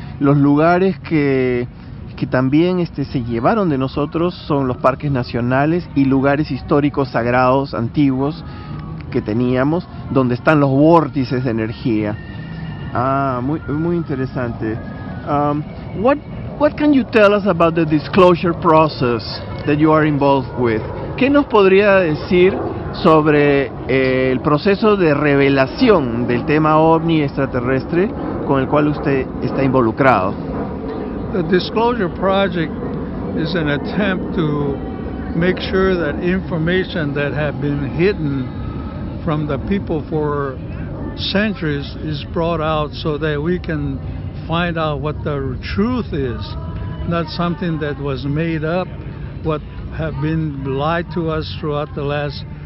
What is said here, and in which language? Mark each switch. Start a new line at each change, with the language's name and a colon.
Spanish: Los lugares que también se llevaron de nosotros son los parques nacionales y lugares históricos sagrados antiguos que teníamos, donde están los vórtices de energía. Ah, muy muy interesante.
English: What can you tell us about the disclosure process that you are involved with?
Spanish: ¿Qué nos podría decir sobre el proceso de revelación del tema OVNI extraterrestre con el cual usted está involucrado?
English: The disclosure project is an attempt to make sure that information that had been hidden from the people for centuries is brought out so that we can find out what the truth is, not something that was made up, what have been lied to us throughout the last